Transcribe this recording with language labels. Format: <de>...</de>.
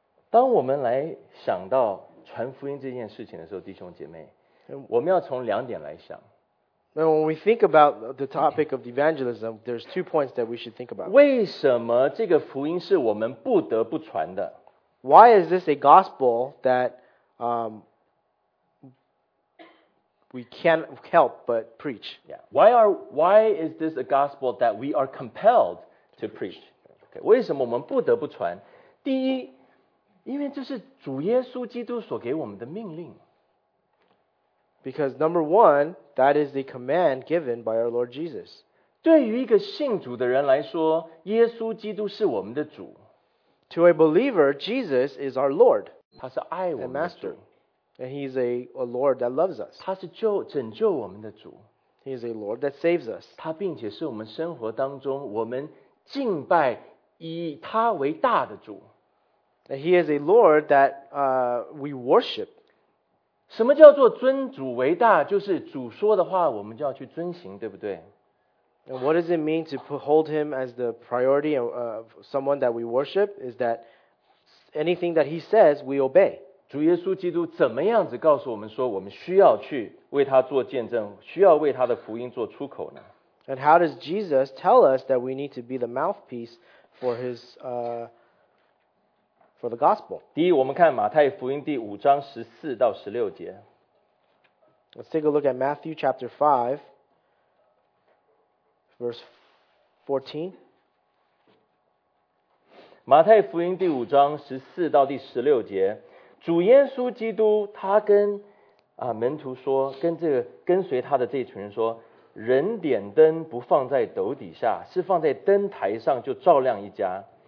<zh>当我们来想到传福音这件事情的时候，弟兄姐妹，我们要从两点来想。</zh> <en>Now, when we think about the topic of evangelism, there's two points that we should think about.</en> <zh>为什么这个福音是我们不得不传的？</zh> <en>Why is this a gospel that we can't help but preach? Yeah. Why is this a gospel that we are compelled to preach?</en> <zh>Okay. 为什么我们不得不传？第一，因为这是主耶稣基督所给我们的命令。</zh> <en>Because number one, that is the command given by our Lord Jesus.</en> <zh>对于一个信主的人来说，耶稣基督是我们的主。</zh> <en>To a believer, Jesus is our Lord.</en> <zh>他是爱我们的主。</zh> <en>And he's a Lord that loves us.</en> <zh>他是救拯救我们的主。</zh> <en>He is a Lord that saves us.</en> <zh>他并且是我们生活当中我们敬拜以他为大的主。</zh> <en>He is a Lord that we worship.</en> <zh>什么叫做尊主为大？就是主说的话，我们就要去遵行，对不对？</zh> <en>And what does it mean to hold him as the priority of someone that we worship? Is that anything that he says, we obey.</en> <zh>主耶稣基督怎么样子告诉我们说，我们需要去为他做见证，需要为他的福音做出口呢？</zh> <en>And how does Jesus tell us that we need to be the mouthpiece for his For the gospel.</en> <zh>第一，我们看马太福音第五章十四到十六节。</zh> <en>Let's take a look at Matthew chapter 5, verse 14.</en> <zh>马太福音第五章十四到第十六节，主耶稣基督他跟门徒说，跟这个跟随他的这群人说，人点灯不放在斗底下，是放在灯台上就照亮一家。</zh>